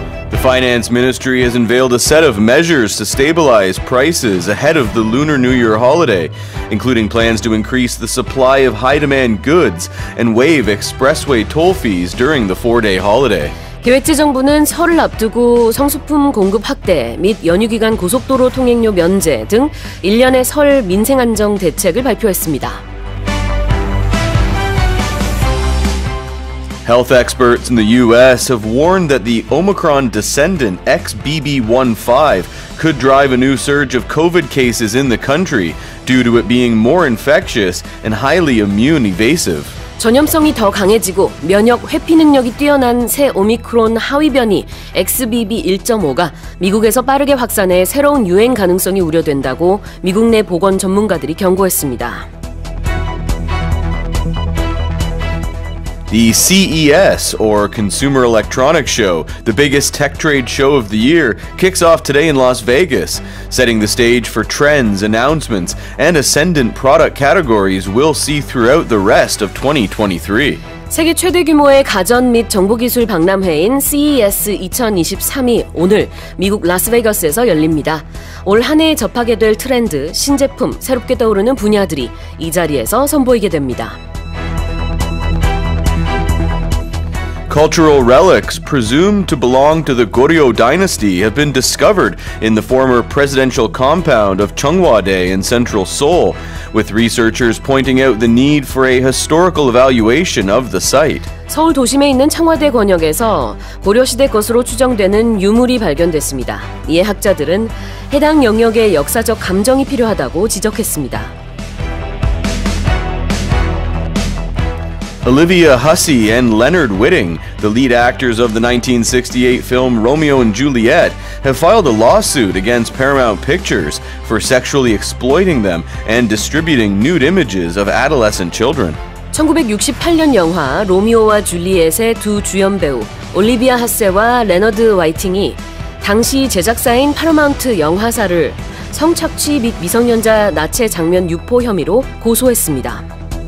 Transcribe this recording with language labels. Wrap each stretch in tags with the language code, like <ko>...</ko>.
<en>The finance ministry has unveiled a set of measures to stabilize prices ahead of the Lunar New Year holiday, including plans to increase the supply of high-demand goods and waive expressway toll fees during the four-day holiday.</en> <ko>기획재정부는 설을 앞두고 성수품 공급 확대 및 연휴 기간 고속도로 통행료 면제 등 일련의 설 민생안정 대책을 발표했습니다.</ko> <en>Health experts in the U.S. have warned that the Omicron descendant XBB.1.5 could drive a new surge of COVID cases in the country due to it being more infectious and highly immune evasive.</en> <ko>전염성이 더 강해지고 면역 회피 능력이 뛰어난 새 오미크론 하위 변이 XBB.1.5가 미국에서 빠르게 확산해 새로운 유행 가능성이 우려된다고 미국 내 보건 전문가들이 경고했습니다.</ko> <en>The CES, or Consumer Electronics Show, the biggest tech trade show of the year, kicks off today in Las Vegas, setting the stage for trends, announcements, and ascendant product categories we'll see throughout the rest of 2023.</en> <ko>세계 최대 규모의 가전 및 정보기술 박람회인 CES 2023이 오늘 미국 라스베이거스에서 열립니다. 올 한 해에 접하게 될 트렌드, 신제품, 새롭게 떠오르는 분야들이 이 자리에서 선보이게 됩니다.</ko> <en>Cultural relics presumed to belong to the Goryeo dynasty have been discovered in the former presidential compound of Cheonghwa-dae in central Seoul, with researchers pointing out the need for a historical evaluation of the site.</en> <ko>서울 도심에 있는 청와대 권역에서 고려 시대 것으로 추정되는 유물이 발견됐습니다. 이에 학자들은 해당 영역의 역사적 감정이 필요하다고 지적했습니다.</ko> <en>Olivia Hussey and Leonard Whiting, the lead actors of the 1968 film Romeo and Juliet, have filed a lawsuit against Paramount Pictures for sexually exploiting them and distributing nude images of adolescent children.</en> <ko>1968년 영화 로미오와 줄리엣의 두 주연 배우 올리비아 하세와 레너드 와이팅이 당시 제작사인 파라마운트 영화사를 성착취 및 미성년자 나체 장면 유포 혐의로 고소했습니다.</ko>